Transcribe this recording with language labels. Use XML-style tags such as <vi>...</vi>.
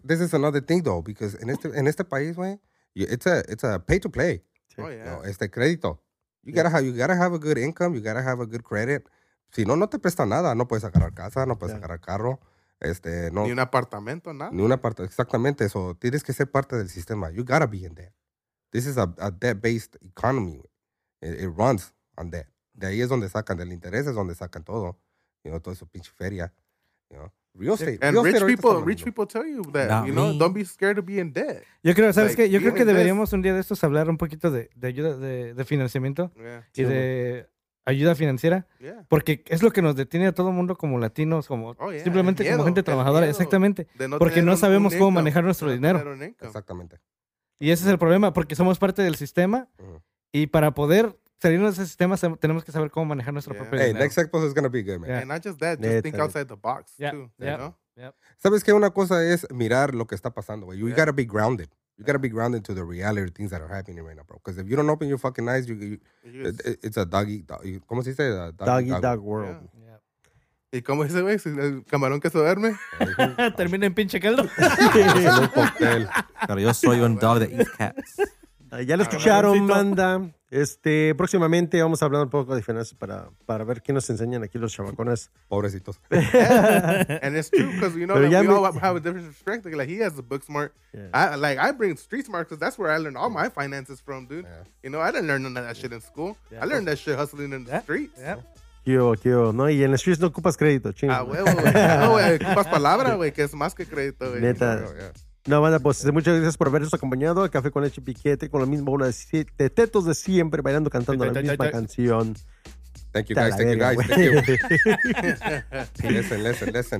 <en>This is another thing, though, because</en> <es>en este país, güey,</es> <en>it's a pay to play. Oh, yeah.</en> <es>No, este crédito.</es> <en>You gotta have a good income, you gotta have a good credit.</en> <es>Si no, no te presta nada. No puedes agarrar casa, no puedes agarrar carro. Este, no, ni un apartamento, nada. Ni un apartamento, exactamente. Eso, tienes que ser parte del sistema.</es> <en>You gotta be in debt. This is a debt-based economy. It runs on debt.</en> <es>De ahí es donde sacan, del interés es donde sacan todo.</es> <en>You know,</en> <es>toda esa pinche feria.</es> <en>You know, real estate. And real estate, rich people tell you that, you know, don't be scared to be in debt.</en> <es>Yo creo, ¿sabes qué? Yo creo que deberíamos un día de estos hablar un poquito de ayuda, de financiamiento y de ayuda financiera, porque es lo que nos detiene a todo mundo como latinos, como simplemente miedo, como gente trabajadora, exactamente, no, porque no sabemos cómo manejar nuestro dinero. Exactamente. Y ese es el problema, porque somos parte del sistema, y para poder salirnos de ese sistema tenemos que saber cómo manejar nuestro propio dinero.</es> <en>Hey, next episode is going to be good, man. Yeah. And not just that, just think outside the box, too. Yeah. You know? Yep.</en> <es>¿Sabes qué? Una cosa es mirar lo que está pasando, güey.</es> <en>You got to be grounded. You got to be grounded to the reality of things that are happening right now, bro. Because if you don't open your fucking eyes, it's a doggy dog.</en> <es>¿Cómo se dice?</es> <en>Doggy dog world. Yeah.</en> <es>¿Y cómo dice, güey? ¿El camarón que se duerme? ¿Termina en pinche caldo? Pero yo soy un dog de East Cats. Ya lo escucharon, manda. Próximamente vamos a hablar un poco de finanzas para ver qué nos enseñan aquí los chamacones. Pobrecitos.</es> <en>And it's true, because you know that we all have a different perspective. Like, he has a book smart. Yeah. I bring street smart, because that's where I learned all my finances from, dude. Yeah. You know, I didn't learn none of that shit in school. Yeah. I learned that shit hustling in the streets. Yeah.</en> <es>Yo, no, y en el streets no ocupas crédito, chingo. Ah, güey. No, ocupas palabra, güey, que es más que crédito, güey. Neta. No, banda, pues muchas gracias por habernos acompañado a Café con Leche y Piquete, con la misma bola de tetos de siempre, bailando, cantando la misma canción.</es> <en>Thank you, guys. Listen.</en>